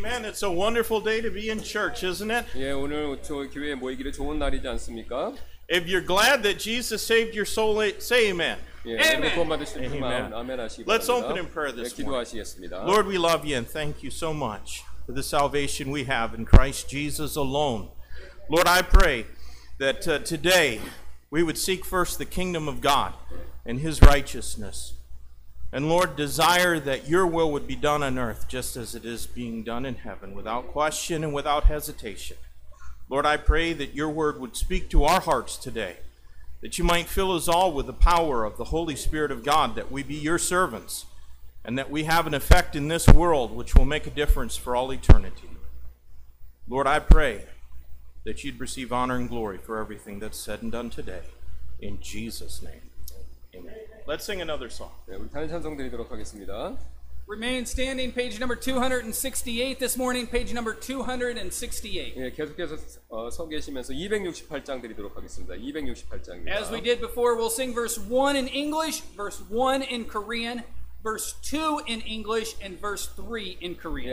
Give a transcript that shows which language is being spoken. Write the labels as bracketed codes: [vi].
[en] It's a wonderful day to be in church, isn't it? [ko] 예, 오늘 저 교회에 모이기를 좋은 날이지 않습니까? [en] If you're glad that Jesus saved your soul, say amen. [ko] 예, 오늘 구원 받으신 분만 아멘하시기 바랍니다. [en] Let's open in prayer this morning. [ko] 예, 기도하시겠습니다. [en] Lord, we love you and thank you so much for the salvation we have in Christ Jesus alone. Lord, I pray that today we would seek first the kingdom of God and His righteousness. And Lord, desire that your will would be done on earth just as it is being done in heaven, without question and without hesitation. Lord, I pray that your word would speak to our hearts today, that you might fill us all with the power of the Holy Spirit of God, that we be your servants, and that we have an effect in this world which will make a difference for all eternity. Lord, I pray that you'd receive honor and glory for everything that's said and done today. In Jesus' name. Let's sing another song. [ko] 네, 우리 다른 찬송 드리도록 하겠습니다. [en] Remain standing, page number 268 this morning, page number 268. [ko] 네, 계속해서 서 계시면서 268장 드리도록 하겠습니다. 268장입니다. [en] As we did before, we'll sing verse 1 in English, verse 1 in Korean, verse 2 in English, and verse 3 in Korean.